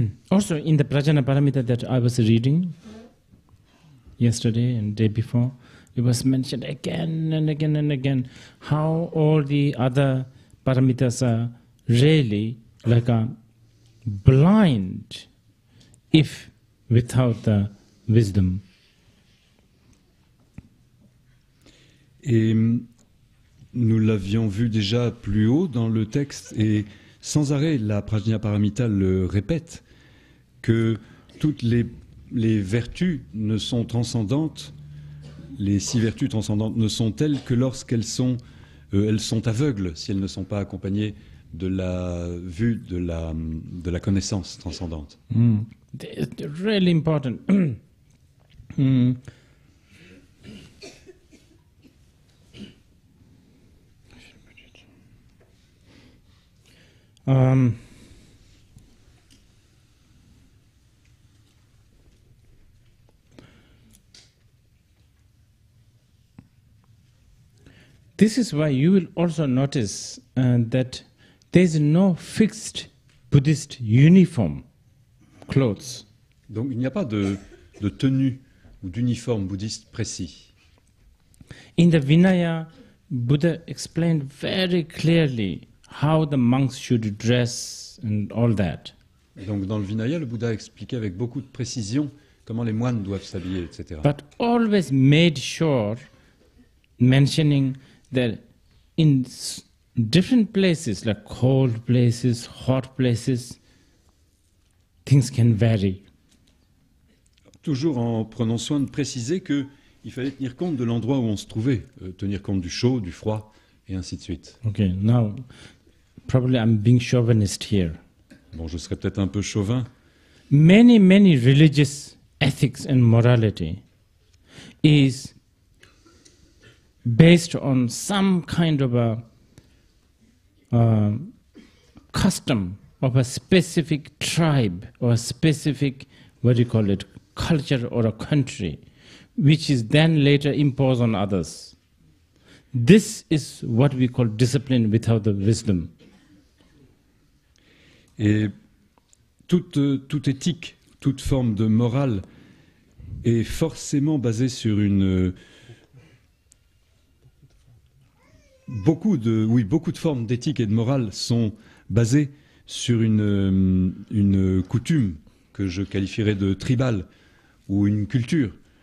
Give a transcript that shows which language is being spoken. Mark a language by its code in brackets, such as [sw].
[en] Also, in the Prajnaparamita that I was reading yesterday and day before, it was mentioned again and again and again how all the other paramitas are really like a blind if without the wisdom. [fr] Et nous l'avions vu déjà plus haut dans le texte, et sans arrêt la Prajnaparamita le répète, que toutes les vertus ne sont transcendantes, les six vertus transcendantes ne sont telles que lorsqu'elles sont elles sont aveugles si elles ne sont pas accompagnées de la vue, de la connaissance transcendante. [en] It's really important. This is why you will also notice that there is no fixed Buddhist uniform clothes. [fr] Donc il n'y a pas de tenue ou d'uniforme bouddhiste précis. [en] In the Vinaya, Buddha explained very clearly how the monks should dress and all that. [fr] Donc dans le Vinaya, le Bouddha a expliqué avec beaucoup de précision comment les moines doivent s'habiller, etc. [en] But always made sure mentioning that in different places, like cold places, hot places, things can vary. [fr] Toujours en prenant soin de préciser que il fallait tenir compte de l'endroit où on se trouvait, tenir compte du chaud, du froid, et ainsi de suite. [en] Okay, now probably I'm being chauvinist here. [fr] Bon, je serais peut-être un peu chauvin. [en] Many, many religious ethics and morality is based on some kind of a custom of a specific tribe or a specific, what do you call it, culture or a country, which is then later imposed on others. This is what we call discipline without the wisdom. [fr] Et toute éthique, toute forme de morale est forcément basée sur une beaucoup de formes d'éthique et de morale sont basées sur une coutume que je qualifierais de tribale ou une culture.